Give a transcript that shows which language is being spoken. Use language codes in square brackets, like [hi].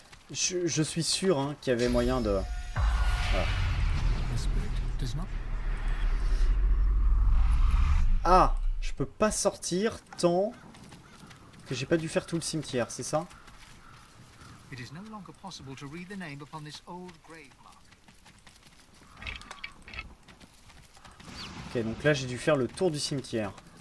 [fr] Je suis sûr hein, qu'il y avait moyen de... Voilà. Ah! Je peux pas sortir tant que j'ai pas dû faire tout le cimetière, c'est ça? [en] It is no longer possible to read the name upon this old grave mark. [fr] donc là j'ai dû faire le tour du cimetière.